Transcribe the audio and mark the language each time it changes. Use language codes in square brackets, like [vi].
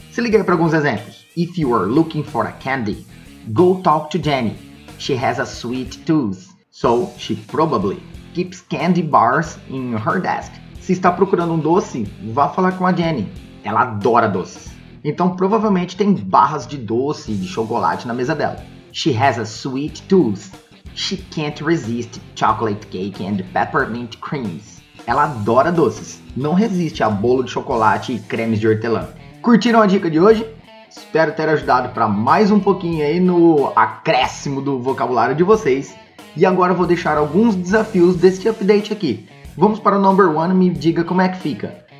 [pt] Se liga aí para alguns exemplos. [en] If you are looking for a candy, go talk to Jenny. She has a sweet tooth, so she probably keeps candy bars in her desk. [pt] Se está procurando um doce, vá falar com a Jenny. Ela adora doces. Então provavelmente tem barras de doce e de chocolate na mesa dela. [en] She has a sweet tooth. She can't resist chocolate cake and peppermint creams. [pt] Ela adora doces. Não resiste a bolo de chocolate e cremes de hortelã. Curtiram a dica de hoje? Espero ter ajudado para mais um pouquinho aí no acréscimo do vocabulário de vocês. E agora vou deixar alguns desafios deste update aqui. Vamos para o [en] number one, [pt] me diga como é que fica.